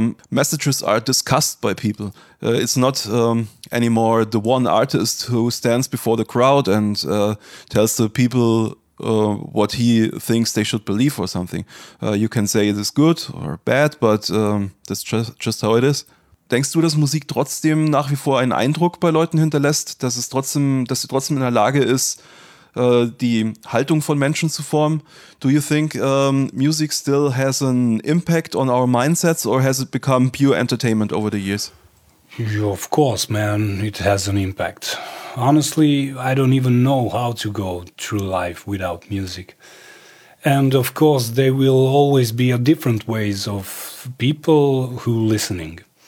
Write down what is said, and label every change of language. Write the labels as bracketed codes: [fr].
[en] Messages are discussed by people. It's not anymore the one artist who stands before the crowd and tells the people what he thinks they should believe or something. You can say it is good or bad, but that's just how it is. [de] Denkst du, dass Musik trotzdem nach wie vor einen Eindruck bei Leuten hinterlässt, dass sie trotzdem in der Lage ist, die Haltung von Menschen zu formen? [en] Do you think music still has an impact on our mindsets, or has it become pure entertainment over the years? Yeah, of course, man, it has an impact. Honestly, I don't even know how to go through life without music. And of course, there will always be a different ways of people who listening.